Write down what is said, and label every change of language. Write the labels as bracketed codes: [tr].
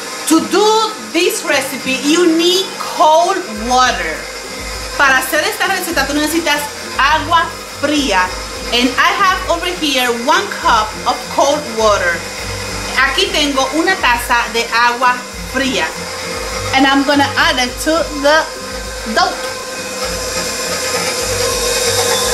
[en] To do this recipe, you need cold water. [es] Para hacer esta receta, tú necesitas agua fría. [en] And I have over here 1 cup of cold water. [es] Aquí tengo 1 taza de agua fría. [en] And I'm gonna add it to the dough. Thank you.